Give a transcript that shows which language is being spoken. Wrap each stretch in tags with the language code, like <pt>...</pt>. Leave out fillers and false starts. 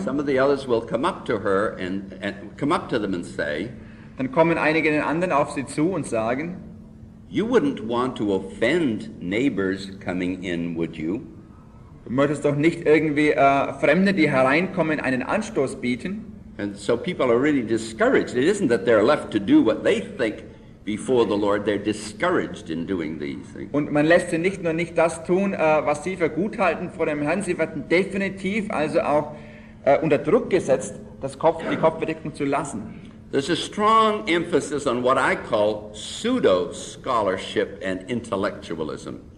<en>some of the others will come up to her and come up to them and say,</en> <de>dann kommen einige den anderen auf sie zu und sagen,</de> <en>you wouldn't want to offend neighbors coming in, would you?</en> <de>Du möchtest doch nicht irgendwie Fremde, die hereinkommen, einen Anstoß bieten.</de> <en>And so people are really discouraged. It isn't that they're left to do what they think before the Lord, they're discouraged in doing these things.</en> <de>Und man lässt sie nicht nur nicht das tun, was sie für gut halten vor dem Herrn, sie werden definitiv also auch unter Druck gesetzt, die Kopfbedeckung zu lassen.</de> <en>There's a strong emphasis on what I call pseudo-scholarship and intellectualism.</en>